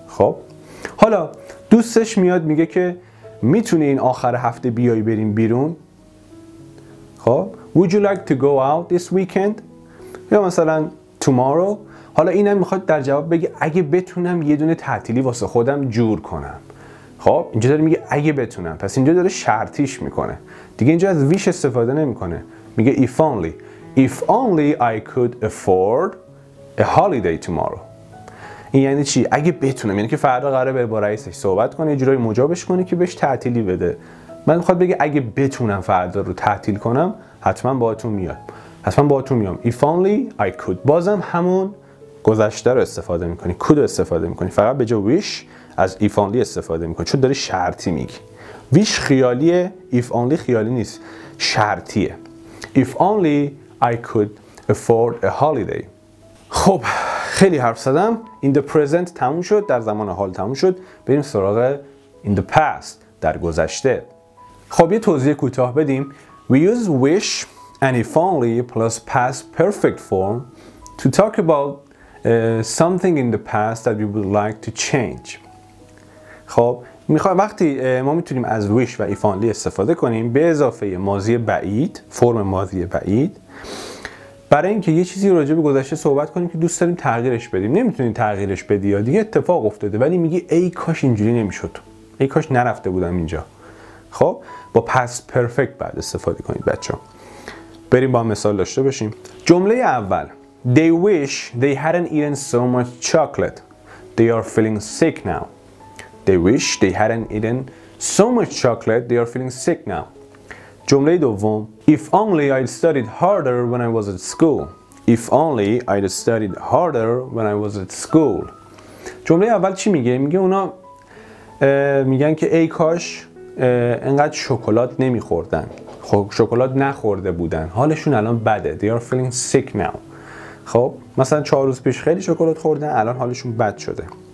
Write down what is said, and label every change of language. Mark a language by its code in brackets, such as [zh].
[fa] خب حالا دوستش میاد میگه که میتونی این آخر هفته بیای بریم بیرون؟ خب [en] Would you like to go out this weekend? [fa] یا مثلا tomorrow. حالا اینم میخواد در جواب بگه اگه بتونم یه دونه تعطیلی واسه خودم جور کنم. خب اینجا داره میگه اگه بتونم، پس اینجا داره شرطیش میکنه دیگه، اینجا از wish استفاده نمیکنه، میگه if only. [en] If only I could afford a holiday tomorrow. [fa] این یعنی چی؟ اگه بتونم، یعنی که فردا قراره بره با رئیسش صحبت کنه، یه جورایی مجابش کنه که بهش تعطیلی بده. من میخواد بگه اگه بتونم فردا رو تعطیل کنم حتما باهاتون میام. [en] If only I could. [fa] بازم همون گذشته رو استفاده میکنی، could رو استفاده میکنی، فقط به جای wish از if only استفاده میکنی، چون داری شرطی میگی. wish خیالیه، if only خیالی نیست، شرطیه. [en] If only I could afford a holiday. [fa] خب خیلی حرف زدم. [en] In the present [fa] تموم شد، در زمان حال تموم شد. بریم سراغ [en] in the past، [fa] در گذشته. خب یه توضیح کوتاه بدیم. [en] We use wish and if only plus past perfect form to talk about something in the past that we would like to change. [fa] خب وقتی ما میتونیم از wish و if only استفاده کنیم به اضافه ماضی بعید، فرم ماضی بعید، برای اینکه یه چیزی راجع به گذشته صحبت کنیم که دوست داریم تغییرش بدیم. نمیتونیم تغییرش بدی یا دیگه اتفاق افتاده، ولی میگی ای کاش اینجوری نمیشد، ای کاش نرفته بودم اینجا. خب با past perfect بعد استفاده کنید بچه ها. بریم با مثال داشته باشیم. جمله اول: [en] They wish they hadn't eaten so much chocolate. They are feeling sick now. They wish they hadn't eaten so much chocolate. They are feeling sick now. [fa] جمله دوم: [en] If only I'd studied harder when I was at school. If only I'd studied harder when I was at school. [fa] جمله اول چی میگه؟ میگه اونا میگن که ای کاش انقدر شکلات نمیخوردن، خب شکلات نخورده بودن، حالشون الان بده. [en] They are feeling sick now. [fa] خب مثلا 4 روز پیش خیلی شکلات خوردن، الان حالشون بد شده.